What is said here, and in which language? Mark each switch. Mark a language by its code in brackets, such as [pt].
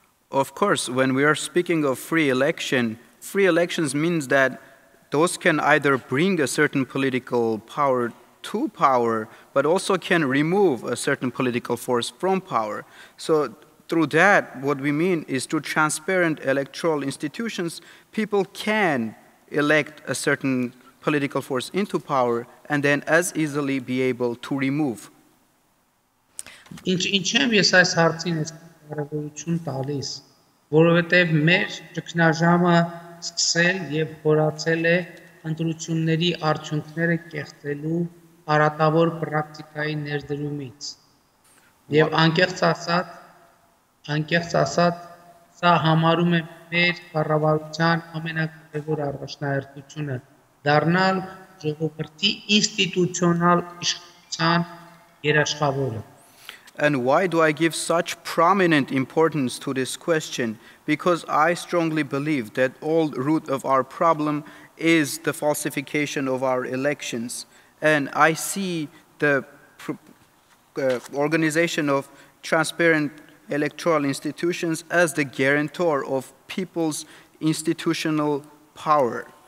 [en] Of course when we are speaking of free elections means that those can either bring a certain political power to power but also can remove a certain political force from power so through that what we mean is through transparent electoral institutions people can elect a certain political force into power and then as easily be able to remove. [hy] Ինչեմ ես այս հարցին այս կարևորություն տալիս, որովհետև մեր ճգնաժամը սկսել եւ խորացել է ընտրությունների արդյունքները կեղծելու արատավոր պրակտիկայի ներդրումից։ Եվ անկեղծ ասած, սա համարում է մեր կառավարության ամենակարևոր առաջնահերթությունը դառնալ ժողովրդի ինստիտուցիոնալ իշխանության երաշխավորը [en] And why do I give such prominent importance to this question because I strongly believe that all root of our problem is the falsification of our elections and I see the organization of transparent electoral institutions as the guarantor of people's institutional power.